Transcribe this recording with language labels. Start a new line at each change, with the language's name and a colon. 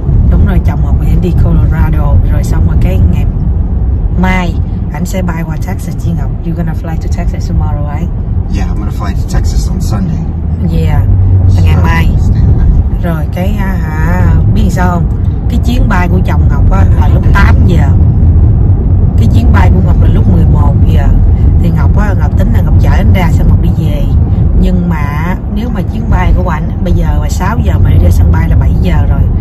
Vietnamese: Đúng rồi, chồng Ngọc sẽ đi Colorado. Rồi xong rồi cái ngày mai anh sẽ bay qua Texas chứ Ngọc.
English: You're gonna fly to Texas tomorrow, right? Yeah, I'm gonna fly to Texas on Sunday.
Vietnamese: Yeah, ngày mai. Rồi cái biết sao không? Cái chuyến bay của chồng Ngọc á là lúc 8 giờ. Cái chuyến bay của Ngọc là lúc 11 giờ. Thì Ngọc á, Ngọc tính là Ngọc chở anh ra xong Ngọc đi về. Nhưng mà nếu mà chuyến bay của anh bây giờ là 6 giờ mà đi ra sân bay là 7 giờ rồi.